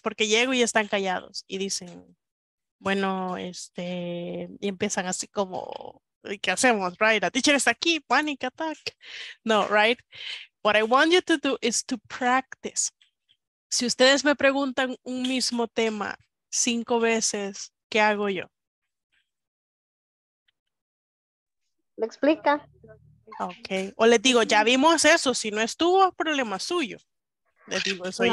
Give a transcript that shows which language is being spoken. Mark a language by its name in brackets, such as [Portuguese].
[Spanish] Porque llego y están callados y dicen, bueno, este, y empiezan así como, ¿qué hacemos? [English] Right? A teacher [Spanish] está aquí, [English] panic attack. No, right? What I want you to do is to practice. [Spanish] Si ustedes me preguntan un mismo tema 5 veces, ¿qué hago yo? Me explica. Ok, o les digo, ya vimos eso, si no estuvo, problema suyo. Les digo eso no,